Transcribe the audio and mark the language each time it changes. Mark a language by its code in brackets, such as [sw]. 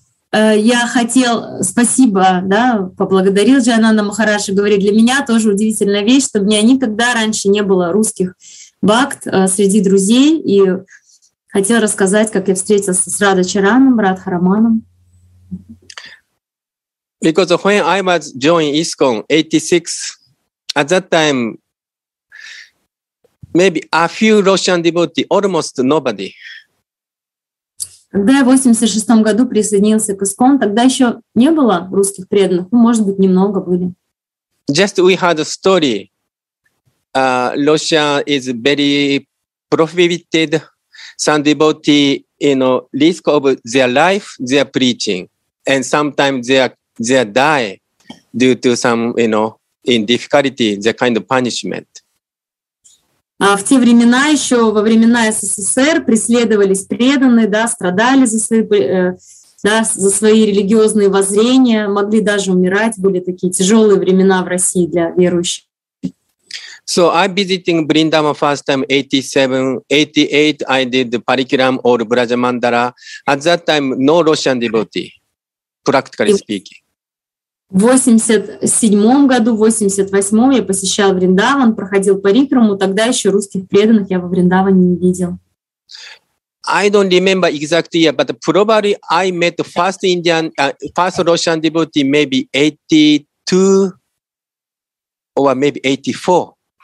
[ru] Я хотел, спасибо, да, поблагодарил Джайананда Махараджа, говорит, для меня тоже удивительная вещь, что у меня никогда раньше не было русских бхакт среди друзей, и хотел рассказать, как я встретился с Радха Чараном, Радха Раманом. [en] Because when I was joining ISKCON 86, at that time, maybe a few Russian devotees, almost nobody. [ru] Когда я в 86 году присоединился к ISKCON, тогда еще не было русских преданных, ну, может быть, немного были. [en] Just we had a story. Russia is very prohibited some devotee, you know, risk of their life, their preaching, and sometimes they die due to some, you know, in difficulty, the kind of punishment. [ru] В те времена еще, во времена СССР, преследовались преданные, да, страдали за свои, да, за свои религиозные воззрения, могли даже умирать, были такие тяжелые времена в России для верующих. [en] So I visiting Vrindavan first time 87, 88, I did Parikram or Brajamandala. At that time, no Russian devotee, practically speaking. [ru] 87 году, 88 я посещал Вриндаван, проходил парикраму, тогда еще русских преданных я во Вриндаване не видел. [en] I don't remember exact year, but probably I met the first Indian, first Russian devotee maybe 82 or maybe 84.